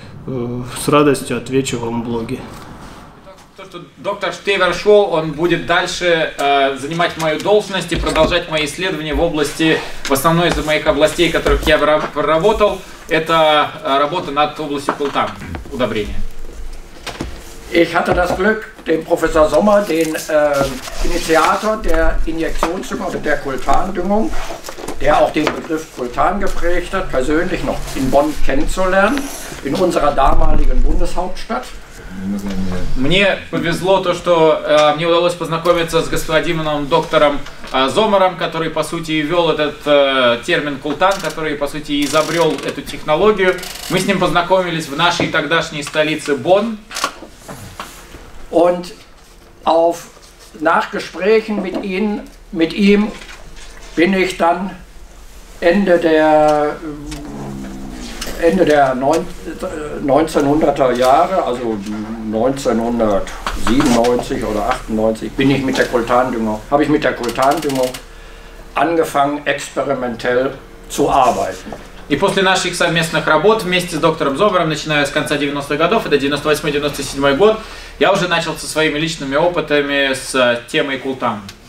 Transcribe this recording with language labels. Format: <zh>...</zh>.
<ru>С радостью отвечу вам в блоге. Доктор Штевер Шоу, он будет дальше занимать мою должность и продолжать мои исследования в области, в основной из моих областей, в которых я проработал, это работа над областью Култан, удобрения.</ru> <de>Ich hatte das Glück, den Professor Sommer, den Initiator der Injektionsdüngung, der Kultandüngung, der auch den Begriff Kultan geprägt hat, persönlich noch in Bonn kennenzulernen, in unserer damaligen Bundeshauptstadt.</de> <ru>Мне повезло то, что мне удалось познакомиться с господином доктором Зомером, который, по сути, ввел этот термин «култан», который, по сути, изобрел эту технологию. Мы с ним познакомились в нашей тогдашней столице Бонн.</ru> <de>Und auf Nachgesprächen mit ihm bin ich dann Ende der 1900er Jahre, also 1997 oder 98, habe ich mit der Kultandüngung angefangen, experimentell zu arbeiten.</de> <ru>И после наших совместных работ вместе с доктором Зомером, начиная с конца 90-х годов, это 98-97 год, я уже начал со своими личными опытами с темой Култан.</ru>